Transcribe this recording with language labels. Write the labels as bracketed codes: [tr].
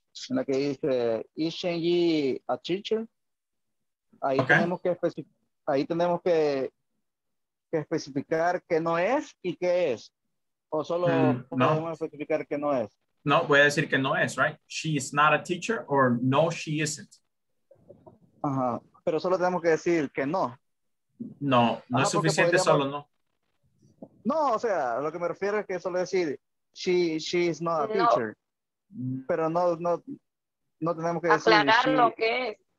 [es] En la que dice, [en] ¿is Shenyi a teacher? [es] Ahí okay. tenemos que especificar qué no es y qué es. O solo podemos especificar qué no es. No, voy a decir que no es, right? [en] She is not a teacher or no, she isn't. [es] Ajá, pero solo tenemos que decir que no. No es suficiente solo no. No, o sea, lo que me refiero es que solo decir, [en] she is not a teacher. [es] Pero no tenemos que aclarar decir, lo que es.